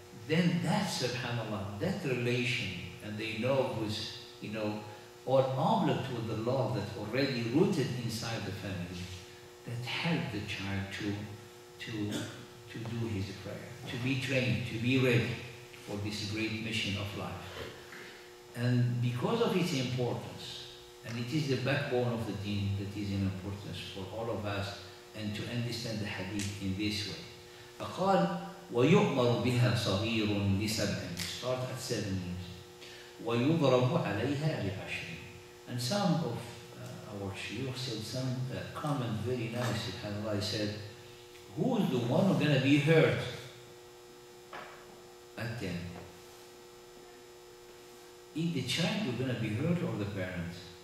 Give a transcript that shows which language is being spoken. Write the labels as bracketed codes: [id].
[en] Then that, subhanAllah, that relation, and they know who's, you know, or enveloped with the love that already rooted inside the family, that helped the child to do his prayer, to be trained, to be ready for this great mission of life. And because of its importance, and it is the backbone of the deen that is in importance for all of us, and to understand the hadith in this way. [ar] فقال ويؤمر بها صغير لسبع. [en] Start at 7 years. [ar] ويضرب عليها لعشر. [en] And some of our shuyukh said some comment very nice. SubhanAllah, said, who is the one who's gonna be hurt at 10? Is the child who's gonna be hurt or the parents?